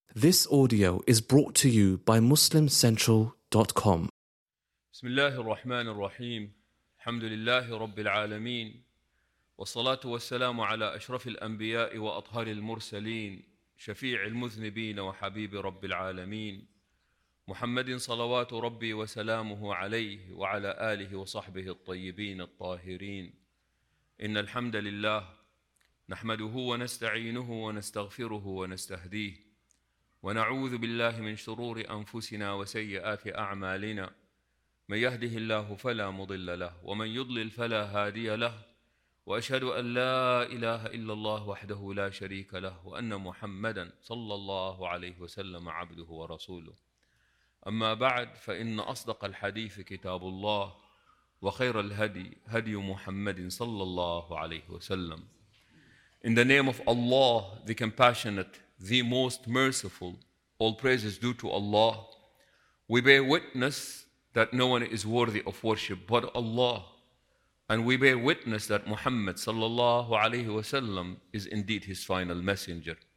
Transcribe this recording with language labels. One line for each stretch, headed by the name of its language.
English: This audio is brought to you by MuslimCentral.com.
Arabic: بسم الله الرحمن الرحيم. الحمد لله رب العالمين. والصلاة والسلام على أشرف الأنبياء وأطهار المرسلين، شفيع المذنبين وحبيب رب العالمين، محمد صلوات ربي وسلامه عليه وعلى آله وصحبه الطيبين الطاهرين. إن الحمد لله، نحمده ونستعينه ونستغفره ونستهديه، ونعوذ بالله من شرور أنفسنا وسيئات أعمالنا، من يهده الله فلا مضل له، ومن يضلل فلا هادي له، وأشهد أن لا إله إلا الله وحده لا شريك له، وأن محمدًا صلى الله عليه وسلم عبده ورسوله. أما بعد، فإن أصدق الحديث كتاب الله، وخير الهدي هدي محمد صلى الله عليه وسلم.
English: In the name of Allah, the Compassionate, the Most Merciful, all praise is due to Allah. We bear witness that no one is worthy of worship but Allah. And we bear witness that Muhammad sallallahu alayhi wa sallam is indeed his final messenger.